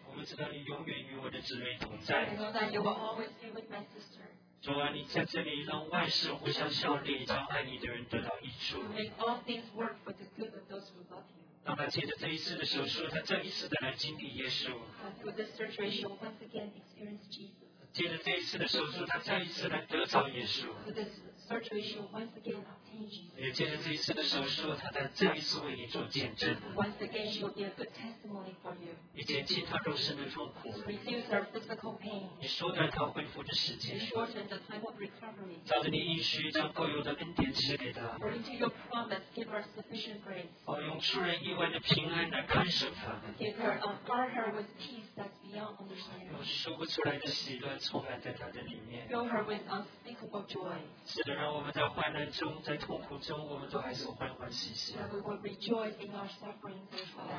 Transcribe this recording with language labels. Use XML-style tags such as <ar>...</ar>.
<zh>我们知道你永远与我的姊妹同在。</zh> <en>I know that you will always be with my sister.</en> <zh>主啊，你在这里让万事互相效力，叫爱你的人得到益处。</zh> <en>Make all things work for the good of those who love you.</en> <zh>让他借着这一次的手术，他再一次的来经历耶稣。</zh> <en>Through this surgery, she will once again experience Jesus.</en> <zh>借着这一次的手术，他再一次来得着耶稣。</zh> <en>Through this surgery, she will once again obtain Jesus.</en> <zh>也借着这一次的手术，他再这一次为你做见证。</zh> <en>Once again, she will be a good testimony for you.</en> <zh>以减轻他肉身的痛苦。</zh> <en>To reduce her physical pain.</en> <zh>以缩短他恢复的时间。</zh> <en>To shorten the time of recovery.</en> <zh>照着你应许，将够有的恩典赐给他。</zh> <en>According to your promise, give her sufficient grace.</en> <zh>哦，用出人意外的平安来看守他。</zh> <en>Give her a guard her with peace that's beyond understanding.</en> <zh>用说不出来的喜乐充满在他的里面。</zh> <en>Fill her with unspeakable joy.</en> <zh>是的，让我们在患难中，在痛苦中，我们都还是欢欢喜喜。</zh> <en>We will rejoice in our suffering as well.</en>